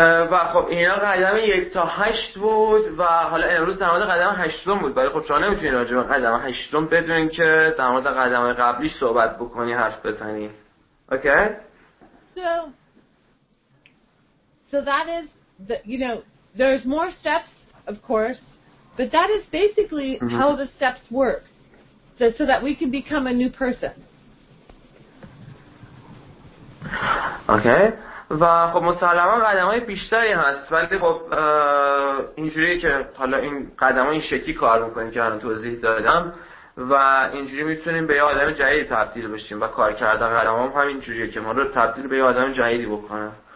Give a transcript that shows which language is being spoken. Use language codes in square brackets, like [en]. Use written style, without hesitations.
[fa] و خب اینا قدم 1 تا 8 بود و حالا امروز در مورد قدم 8 بود. ولی خب شما نمیتونید راجع به قدم 8 بدونین که در مورد قدم قبلیش صحبت بکنی، حرف بزنی. اوکی؟ [en] So that is the, you know, there's more steps of course, but that is basically how the steps work. So that we can become a new person. [fa] اوکی؟ و خب مسلما قدم های بیشتری هست، ولی خب اینجوری که حالا این قدم ها این شکلی کار میکنیم که الان توضیح دادم و اینجوری میتونیم به یه آدم جدیدی تبدیل بشیم و کار کردن قدم ها هم اینجوریه که ما رو تبدیل به یه آدم جدیدی بکنه.